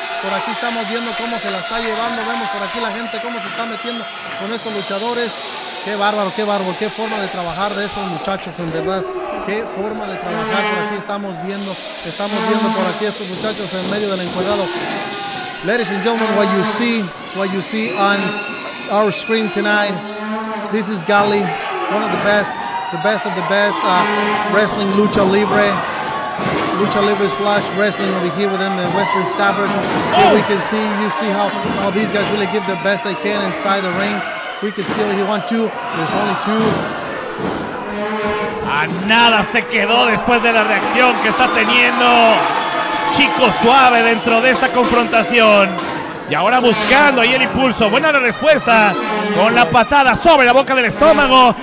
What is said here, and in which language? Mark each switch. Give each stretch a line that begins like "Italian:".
Spanish: Por aquí estamos viendo cómo se la está llevando. Vemos por aquí la gente cómo se está metiendo con estos luchadores. Qué bárbaro, qué bárbaro. Qué forma de trabajar de estos muchachos, en verdad. Qué forma de trabajar. Por aquí estamos viendo. Estamos viendo por aquí a estos muchachos en medio del encuadrado.
English: Ladies and gentlemen, what you see on our screen tonight. This is Gali, one of the best. The best of the best wrestling lucha libre/wrestling over here within the Western Suburbs. Here we can see, you see how these guys really give their best they can inside the ring. We can see over here, one, two, there's only two.
Spanish: A nada se quedó después de la reacción que está teniendo Chico Suave dentro de esta confrontación. Y ahora buscando ahí el impulso. Buena la respuesta con la patada sobre la boca del estómago.